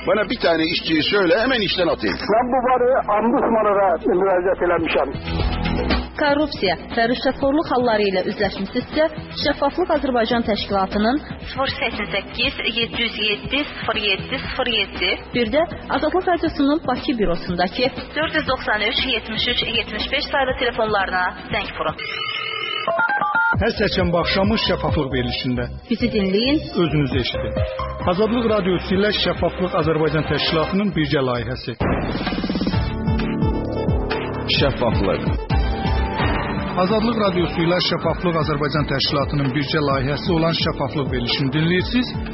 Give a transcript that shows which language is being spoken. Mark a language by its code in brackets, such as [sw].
[tr] Bana bir tane işçiyi söyle hemen işten atayım. [az] Ben bu varı ambusmanlara müracaat eləmişəm. korrupsiya və rüşvətxorluq halları ilə üzləşmisinizsə, Şəffaflıq Azərbaycan Təşkilatının 088-707-0707 bir də Azadlıq Radiosunun Bakı bürosundakı 493-73-75 sayılı telefonlarına zəng vurun. Hər səhşənbə axşamı Şəffaflıq verilişində. Bizi dinləyin, özünüzü eşidin. Azadlıq Radiosu ilə Şəffaflıq Azərbaycan Təşkilatının birgə layihəsi. Şəffaflıq. Azadlıq Radiosu ilə Şəffaflıq Azərbaycan Təşkilatının birgə layihəsi olan Şəffaflıq verilişini dinləyirsiniz.